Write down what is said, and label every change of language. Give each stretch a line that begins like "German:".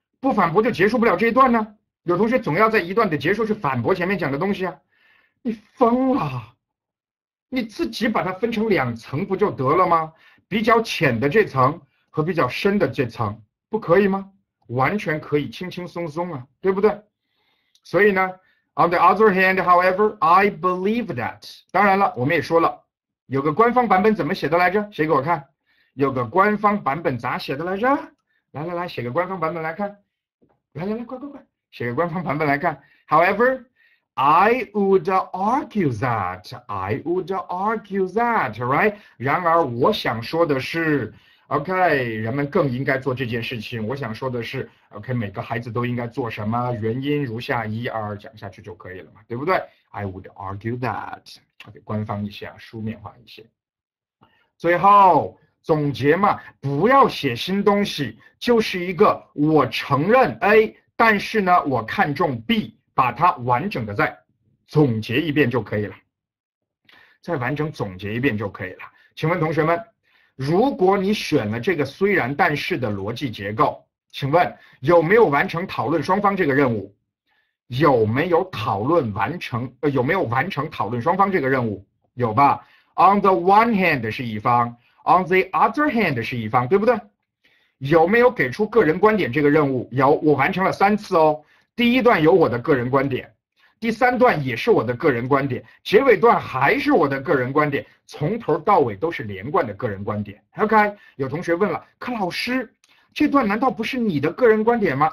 Chinese: 不反驳就结束不了这一段呢？有同学总要在一段的结束去反驳前面讲的东西啊？你疯了？你自己把它分成两层不就得了吗？比较浅的这层和比较深的这层，不可以吗？完全可以，轻轻松松啊，对不对？所以呢，
English: On the other hand, however, I believe that。
Chinese: 当然了，我们也说了，有个官方版本怎么写的来着？谁给我看？有个官方版本咋写的来着？来来来，写个官方版本来看。来来来，快快快，写个官方版本来看。
English: However, I would argue that, I would argue that, right?
Chinese: 然而，我想说的是，OK，人们更应该做这件事情。我想说的是，OK，每个孩子都应该做什么？原因如下，一二讲下去就可以了嘛，对不对？
English: I would argue that。
Chinese: OK，官方一些啊，书面化一些。最后。总结嘛，不要写新东西，就是一个我承认 A，但是呢，我看重 B，把它完整的再总结一遍就可以了，再完整总结一遍就可以了。请问同学们，如果你选了这个虽然但是的逻辑结构，请问有没有完成讨论双方这个任务？有没有讨论完成？有没有完成讨论双方这个任务？有吧？
English: On the one hand
Chinese: 是一方。
English: On the other hand
Chinese: 是一方，对不对？有没有给出个人观点这个任务？有，我完成了三次哦。第一段有我的个人观点，第三段也是我的个人观点，结尾段还是我的个人观点，从头到尾都是连贯的个人观点。 OK，有同学问了，可老师，这段难道不是你的个人观点吗？